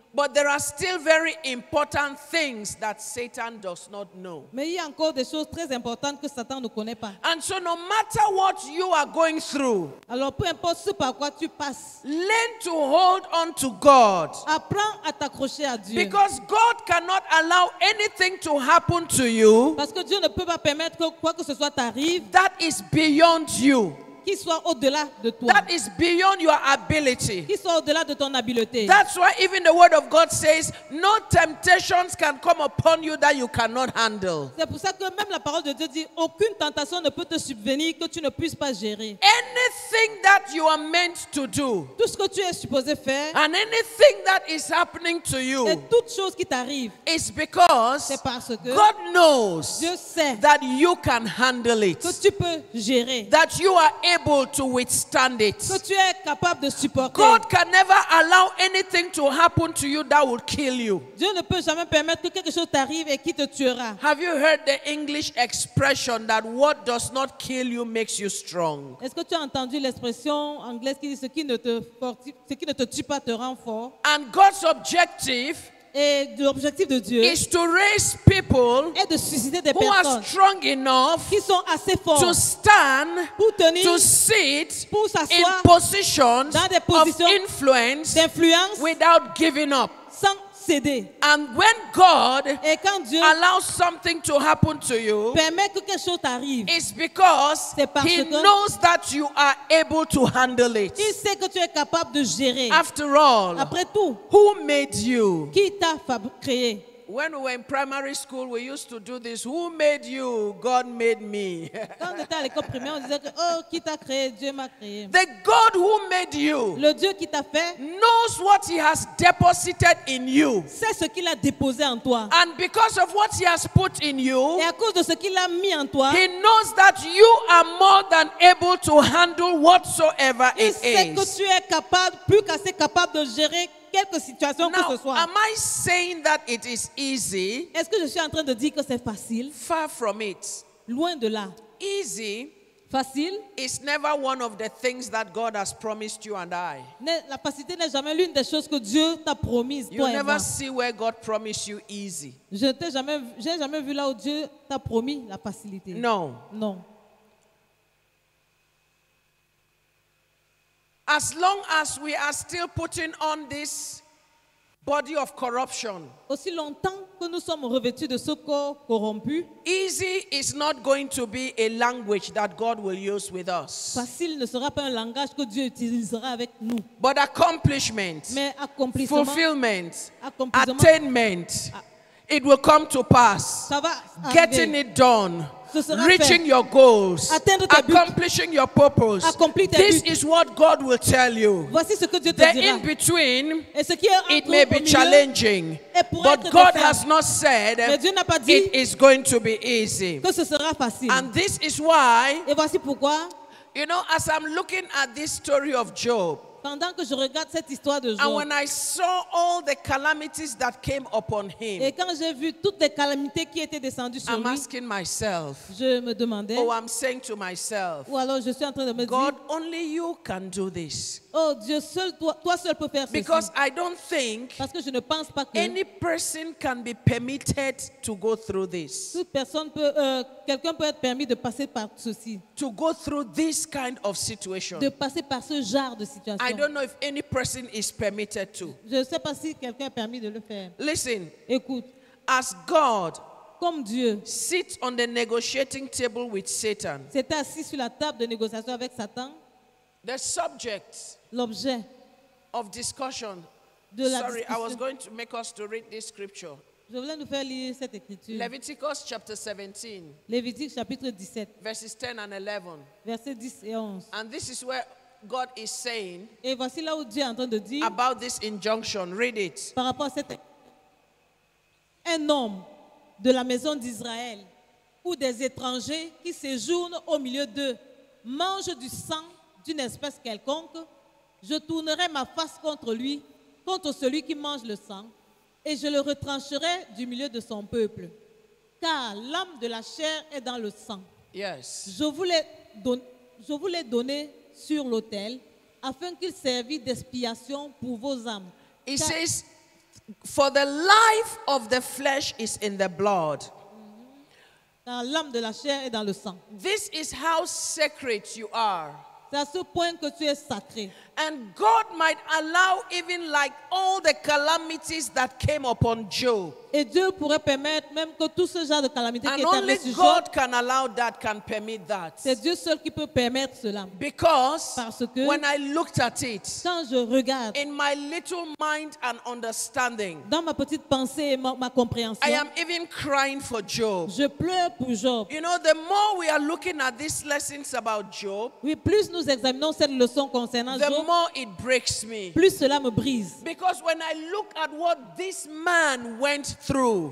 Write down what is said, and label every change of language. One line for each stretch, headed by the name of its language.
English: But there are still very important things that Satan does not know.
French: Mais il y a encore des choses très importantes que Satan ne connaît pas.
English: And so no matter what you are going through.
French: Alors peu importe ce par quoi tu passes.
English: Learn to hold on to God.
French: Apprends à t'accrocher à Dieu.
English: Because God cannot allow anything to happen to you.
French: Parce que Dieu ne peut pas permettre que quoi que ce soit t'arrive.
English: That is beyond you.
French: Qui soit au-delà de toi.
English: That is beyond your ability.
French: Qui soit au-delà de ton habileté.
English: That's why even the word of God says, no temptations can come upon you that you cannot handle.
French: C'est pour ça que même la parole de Dieu dit, aucune tentation ne peut te subvenir que tu ne puisses pas gérer.
English: Anything that you are meant to do.
French: Tout ce que tu es supposé faire.
English: And anything that is happening to you.
French: Et toute chose qui t'arrive.
English: Is because.
French: C'est parce que.
English: God knows.
French: Dieu sait.
English: That you can handle it.
French: Que tu peux gérer.
English: That you are able to withstand it.
French: Que tu es capable de supporter.
English: God can never allow anything to happen to you that would kill you.
French: Dieu ne peut jamais permettre que quelque chose t'arrive et qui te tuera.
English: Have you heard the English expression that what does not kill you makes you strong?
French: Est-ce que tu as entendu l'expression anglaise qui dit ce qui ne te fortifie, ce qui ne te tue pas te rend fort?
English: And God's objective.
French: Et l'objectif de Dieu
English: is to raise people
French: est de susciter des
English: who
French: personnes
English: are strong enough
French: qui sont assez forts
English: to stand,
French: pour tenir,
English: to sit
French: pour s'asseoir
English: in positions
French: dans des positions
English: of influence
French: d'influence
English: without giving up.
French: Sans céder.
English: And when God
French: et quand Dieu
English: allows something to happen to you,
French: permet que quelque chose t'arrive,
English: it's because
French: c'est parce
English: he
French: que
English: knows that you are able to handle it.
French: Il sait que tu es capable de gérer.
English: After all,
French: après tout,
English: who made you?
French: Qui t'a créé?
English: When we were in primary school, we used to do this. Who made you? God made me.
French: Quand on était à l'école primaire, on disait que oh, qui t'a créé? Dieu m'a créé.
English: The God who made you.
French: Le Dieu qui t'a fait.
English: Knows what He has deposited in you.
French: Sait ce qu'il a déposé en toi.
English: And because of what He has put in you.
French: Et à cause de ce qu'il a mis en toi.
English: He knows that you are more than able to handle whatsoever it is.
French: Il sait que tu es capable, plus qu'assez capable de gérer. Quelque situation
English: Now,
French: que ce soit.
English: Am I saying that it is easy?
French: Est-ce que je suis en train de dire que c'est facile?
English: Far from it.
French: Loin de là.
English: Easy.
French: Facile.
English: Is never one of the things that God has promised you and I.
French: La facilité n'est jamais l'une des choses que Dieu t'a promise.
English: You never see where God promised you easy.
French: J'ai jamais vu là où Dieu t'a promis la facilité. Non. Non.
English: As long as we are still putting on this body of corruption,
French: aussi longtemps que nous sommes revêtus de ce corps corrompu,
English: easy is not going to be a language that God will use with us.
French: Facile ne sera pas un langage que Dieu utilisera avec nous.
English: But accomplishment,
French: mais accomplissement,
English: fulfillment,
French: accomplissement,
English: attainment, it will come to pass.
French: Ça va
English: getting it done. Reaching
French: fait.
English: Your goals,
French: atteindre
English: accomplishing
French: buts,
English: your purpose,
French: accompli tes
English: this
French: buts.
English: Is what God will tell you.
French: Voici ce que Dieu te
English: the
French: dira.
English: In between,
French: et ce qui est
English: it may be challenging, but God has not said it is going to be easy.
French: Que ce sera facile.
English: And this is why,
French: et voici pourquoi,
English: you know, as I'm looking at this story of Job,
French: pendant que je regarde cette histoire de Job,
English: and when I saw all the calamities that came upon him,
French: et quand j'ai vu toutes les calamités qui étaient descendues sur
English: I'm asking myself,
French: je me demandais,
English: oh, I'm saying to myself,
French: ou alors je suis en train de me
English: God,
French: dire,
English: only you can do this.
French: Oh, Dieu seul, toi seul peux faire
English: Because
French: ceci.
English: I don't think
French: parce que je ne pense pas que
English: any person can be permitted to go through this.
French: Toute personne peut, quelqu'un peut être permis de passer par ceci.
English: To go through this kind of situation.
French: De passer par ce genre de situation.
English: I don't know if any person is permitted to.
French: Je ne sais pas si quelqu'un est permis de le faire.
English: Listen.
French: Écoute.
English: As God
French: comme Dieu
English: sits on the negotiating table with Satan.
French: S'est assis sur la table de négociation avec Satan.
English: The subject
French: l'objet
English: of discussion.
French: De la
English: sorry,
French: discussion.
English: I was going to make us to read this scripture.
French: Je voulais nous faire lire cette écriture.
English: Leviticus chapter 17.
French: Lévitique chapitre 17.
English: Verses 10 and 11.
French: Verset 10 et 11.
English: And this is where God is saying.
French: Et voici là où Dieu est en train de dire.
English: About this injunction, read it.
French: Par rapport à cette. Un homme de la maison d'Israël ou des étrangers qui séjournent au milieu d'eux mange du sang d'une espèce quelconque, je tournerai ma face contre lui, contre celui qui mange le sang, et je le retrancherai du milieu de son peuple. Car l'âme de la chair est dans le sang.
English: Yes.
French: Je vous l'ai donné sur l'autel, afin qu'il servît d'expiation pour vos âmes. Il dit,
English: for the life of the flesh is in the blood.
French: Car l'âme de la chair est dans le sang.
English: This is how sacred you are.
French: C'est à ce point que tu es sacré.
English: And God might allow even like all the calamities that came upon Job.
French: Et Dieu pourrait permettre même que tout ce genre de calamité
English: and
French: qui est arrivé sur
English: Job. God can allow that, can permit that.
French: C'est Dieu seul qui peut permettre cela.
English: Because
French: parce que
English: when I looked at it,
French: quand je regarde,
English: in my little mind and understanding,
French: dans ma petite pensée et ma compréhension,
English: I am even crying for Job.
French: Je pleure pour Job.
English: You know, the more we are looking at these lessons about Job,
French: oui, plus nous examinons cette leçon concernant
English: the
French: Job,
English: the more it breaks me.
French: Plus cela me brise.
English: Because when I look at what this man went through.